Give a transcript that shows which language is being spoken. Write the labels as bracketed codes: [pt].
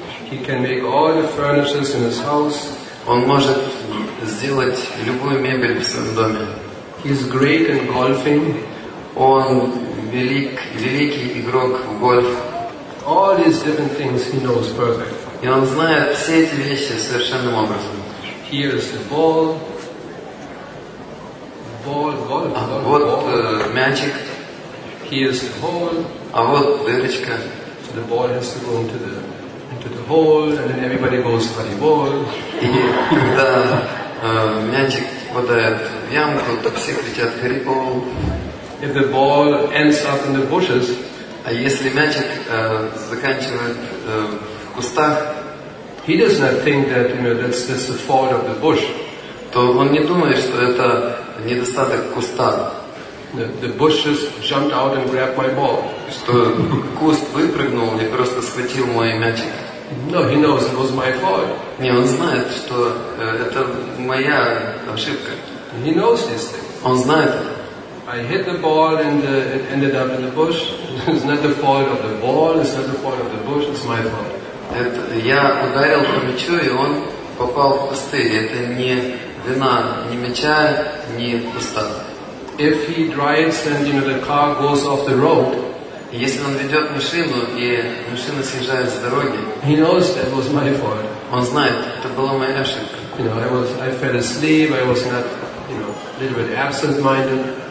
[en] He can make all the furnitures in his house. [ru] Он может сделать любую мебель в своем доме. [en] He is great in golfing. [ru] Он великий игрок в гольф. [en] All these different things he knows perfect. [ru] И он знает все эти вещи совершенным образом. [en] Here is the ball golf. [ru] А вот мячик. [en] Here is the hole. [ru] А вот дырочка. [en] So the ball has to go into the hole, and then everybody goes for the ball. [ru] Да. Мячик попадает в ямку, то все кричат [en] «Harry Ball!». If the ball ends up in the bushes, [ru] а если мячик заканчивает в кустах, [en] he does not think that, you know, that's the fault of the bush. [ru] То он не думает, что это недостаток куста. [en] The bushes jumped out and grabbed my ball. [ru] Что куст выпрыгнул и просто схватил мой мячик. [en] No, he knows it was my fault. [ru] Не, он знает, что это моя ошибка. [en] He knows this thing. [ru] Он знает. [en] I hit the ball and it ended up in the bush. It's not the fault of the ball. It's not the fault of the bush. It's my fault. [ru] Это я ударил по мячу, и он попал в кусты. Это не вина ни мяча, ни куста. [en] If he drives and, you know, the car goes off the road. [ru] Если он ведет машину, и машина съезжает с дороги, [en] he knows that was my fault. [ru] Он знает, это была моя ошибка. [en] You know, I fell asleep, I was not, you know, a little bit absent-minded.